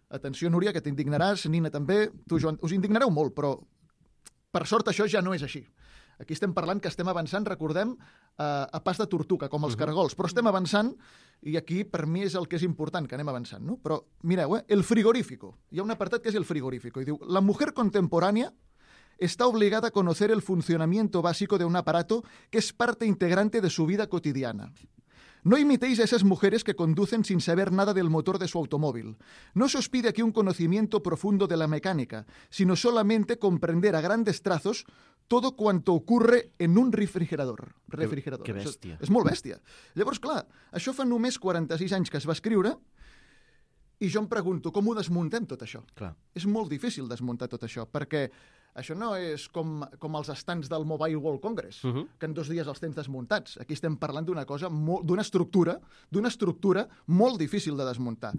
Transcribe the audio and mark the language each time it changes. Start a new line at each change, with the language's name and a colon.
Catalan: Atenció, Núria, que t'indignaràs. Nina, també. Tu, Joan, us indignareu molt, però per sort això ja no és així. Aquí estem parlant que estem avançant, recordem, a pas de tortuga, com els cargols. Però estem avançant, i aquí per mi és el que és important, que anem avançant, no? Però mireu, el frigorífico. Hi ha un apartat que és el frigorífico, i diu:
Spanish: la mujer contemporánea está obligada a conocer el funcionamiento básico de un aparato que es parte integrante de su vida cotidiana. No imitéis a esas mujeres que conducen sin saber nada del motor de su automóvil. No se os pide aquí un conocimiento profundo de la mecánica, sino solamente comprender a grandes trazos todo cuanto ocurre en un refrigerador.
Catalan: Que bèstia. És molt bèstia. Llavors, clar, això fa només 46 anys que es va escriure i jo em pregunto com ho desmuntem tot això. Clar. És molt difícil desmuntar tot això perquè Això no és com els estants del Mobile World Congress, que en dos dies els tens desmuntats. Aquí estem parlant d'una cosa, d'una estructura molt difícil de desmuntar.